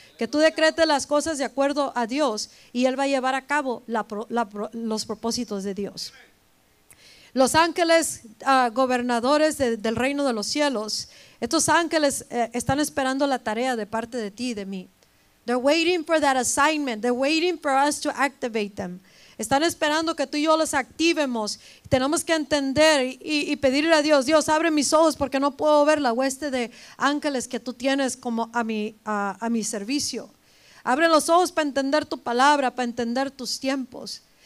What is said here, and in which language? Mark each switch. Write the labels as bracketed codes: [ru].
[es] Que tú decretes las cosas de acuerdo a Dios, y Él va a llevar a cabo los propósitos de Dios. Los ángeles gobernadores del reino de los cielos, estos ángeles están esperando la tarea de parte de ti y de mí. [en] They're waiting for that assignment. They're waiting for us to activate them. [es] Están esperando que tú y yo los activemos. Tenemos que entender y pedirle a Dios: Dios, abre mis ojos, porque no puedo ver la hueste de ángeles que tú tienes como a mi servicio. Abre los ojos para entender tu palabra, para entender tus tiempos.